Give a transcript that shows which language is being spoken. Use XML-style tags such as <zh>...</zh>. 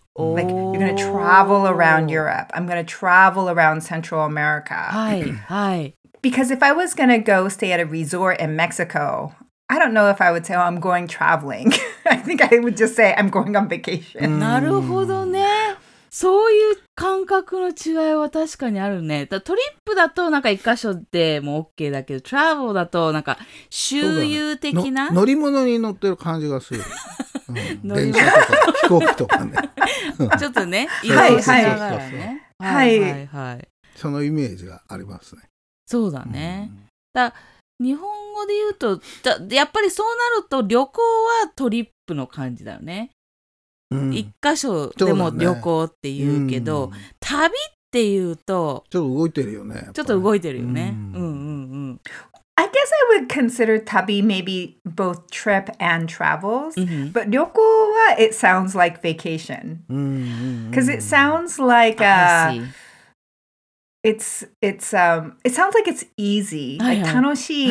<en>Like, you're gonna travel around Europe. I'm gonna travel around Central America.</en> <ja>はい、はい。</ja> <en>Because if I was gonna go stay at a resort in Mexico, I don't know if I would say, oh, I'm going traveling. I think I would just say, I'm going on vacation.</en> <ja>なるほどね。そういう感覚の違いは確かにあるね。だトリップだとなんか一箇所でも OK だけど、トラブルだとなんか周遊的な、ね、乗り物に乗ってる感じがする。うん、電車とか飛行機とかね。ちょっとね、移動しながらね。はいはいはい。そのイメージがありますね。そうだね。うん、だ日本語で言うと、やっぱりそうなると旅行はトリップの感じだよね。一、うん、箇所でも旅行って言うけど、ね、うん、旅っていうとちょっと動いてるよね。ちょっと動いてるよね、うん、うんうんうん。</ja> <en>I guess I would consider 旅 maybe both trip and travels、うん、but 旅行は it sounds like vacation、</en> <ja>うんうんうん、</ja> <en>cause it sounds like a it sounds like it's easy、</en> <ja>はいはい、</ja> <en>like 楽しい、</en>